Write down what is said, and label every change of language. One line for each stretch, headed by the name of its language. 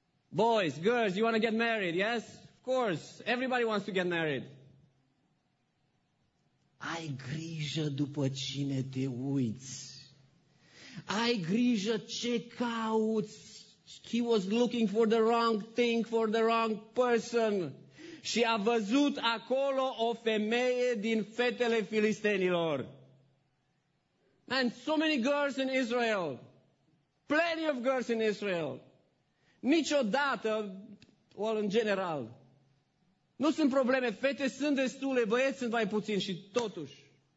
English: Boys, girls, you want to get married, yes? Of course, everybody wants to get married.
Romanian: Ai grijă după cine te uiți. Ai grijă ce cauți.
English: He was looking for the wrong thing, for the wrong person.
Romanian: Și a văzut acolo o femeie din fetele filistenilor.
English: And so many girls in Israel. Plenty of girls in Israel.
Romanian: Niciodată,
English: well, in general.
Romanian: Nu sunt probleme, fete sunt destule, băieți sunt mai puțini și totuși.